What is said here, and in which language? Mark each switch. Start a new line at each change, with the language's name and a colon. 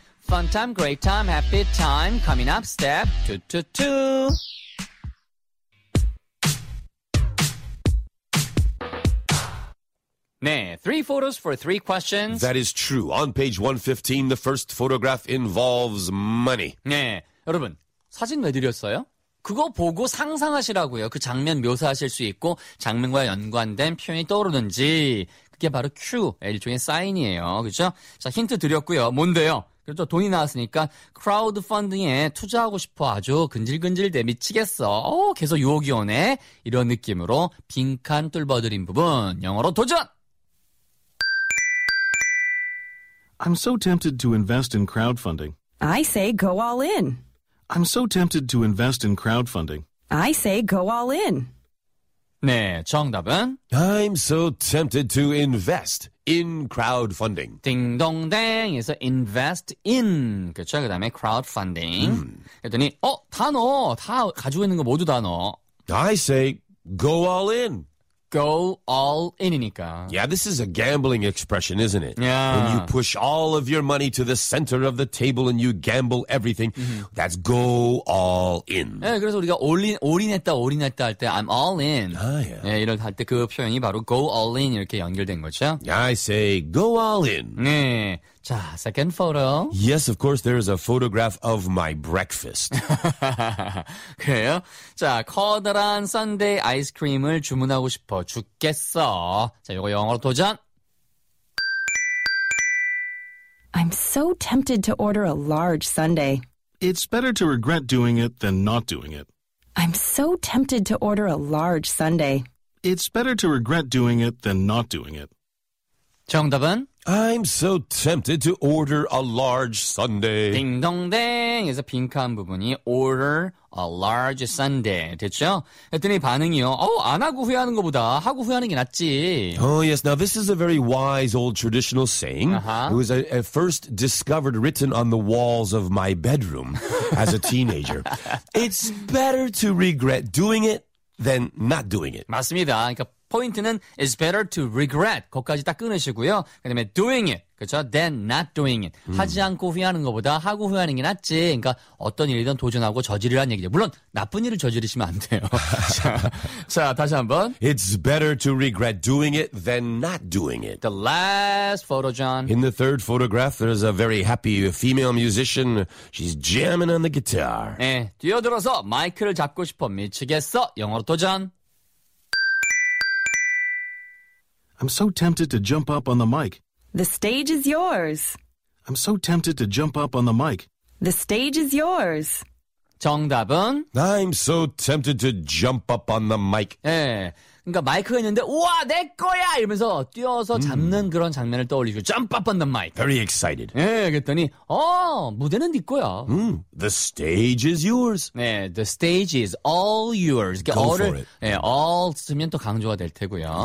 English: Fun time, great time, happy time, coming up, step 2-2-2. 네, three photos for three questions. That is true. On page 115, the first photograph involves money.
Korean: 네, 여러분. 사진 왜 드렸어요? 그거 보고 상상하시라고요. 그 장면 묘사하실 수 있고 장면과 연관된 표현이 떠오르는지 그게 바로 큐, 일종의 사인이에요. 그렇죠? 자, 힌트 드렸고요. 뭔데요? 그렇죠. 돈이 나왔으니까 크라우드 펀딩에 투자하고 싶어 아주 근질근질돼 미치겠어. 오, 계속 유혹이 오네. 이런 느낌으로 빈칸 뚫어드린 부분. 영어로 도전!
English: I'm so tempted to invest in crowdfunding. I say go all in. I'm so tempted to invest in crowdfunding. I say go all in.
Korean: 네, 정답은?
English: I'm so tempted to invest in crowdfunding.
Korean: 딩동댕 에서 invest in. 그렇죠? 그 다음에 crowdfunding. 그랬더니, 어, 다 넣어. 다 가지고 있는 거 모두 다 넣어.
English: I say go all in. Go all in이니까. Yeah, this is a gambling expression, isn't it? Yeah. When you push all of your money to the center of the table and you gamble everything, mm-hmm. that's go all in.
Korean: 네, 그래서 우리가 올인했다, 올인했다 할 때
English: I'm all in. 아, yeah.
Korean: 네, 이럴 때 그 표현이 바로
English: go all in
Korean: 이렇게 연결된 거죠.
English: I say go all in. 네. 자, second photo. Yes, of course, there is a photograph of my breakfast.
Korean: 그래요? 자, 커다란 Sunday 아이스크림을 주문하고 싶어 죽겠어. 자, 이거 영어로 도전.
English: I'm so tempted to order a large Sunday. It's better to regret doing it than not doing it. I'm so tempted to order a large Sunday. It's better to regret doing it than not doing it.
Korean: 정답은?
English: I'm so tempted to order a large sundae.
Korean: 딩동댕! 그래서 빈칸 부분이 order a large sundae. 됐죠? 그랬더니 반응이요. 어, 안 하고 후회하는 것보다 하고 후회하는 게 낫지.
English: Oh, yes. Now, this is a very wise old traditional saying. Uh-huh. It was a first discovered written on the walls of my bedroom as a teenager. It's better to regret doing it than not doing it.
Korean: 맞습니다. 그러니까 포인트는
English: it's better to regret.
Korean: 거기까지 딱 끊으시고요. 그 다음에
English: doing it.
Korean: 그렇죠?
English: Than not doing it.
Korean: 하지 않고 후회하는 것보다 하고 후회하는 게 낫지. 그러니까 어떤 일이든 도전하고 저지르라는 얘기죠. 물론 나쁜 일을 저지르시면 안 돼요. 자, 다시 한번.
English: It's better to regret doing it than not doing it. The last photo, John. In the third photograph, there's a very happy female musician. She's jamming on the guitar.
Korean: 네, 뛰어들어서 마이크를 잡고 싶어 미치겠어. 영어로 도전.
English: I'm so tempted to jump up on the mic. The stage is yours. I'm so tempted to jump up on the mic. The stage is yours.
Korean: 정답은?
English: I'm so tempted to jump up on the mic.
Korean: 예. 그러니까 마이크가 있는데 우와 내 거야 이러면서 뛰어서 잡는 그런 장면을 떠올리죠.
English: Jump up on the mic. Very excited.
Korean: 예, 그랬더니 어, 무대는 네 거야.
English: The stage is yours. 네, 예, the stage is all yours.
Korean: 그러니까 all을, 예, all 쓰면 또 강조가 될 테고요.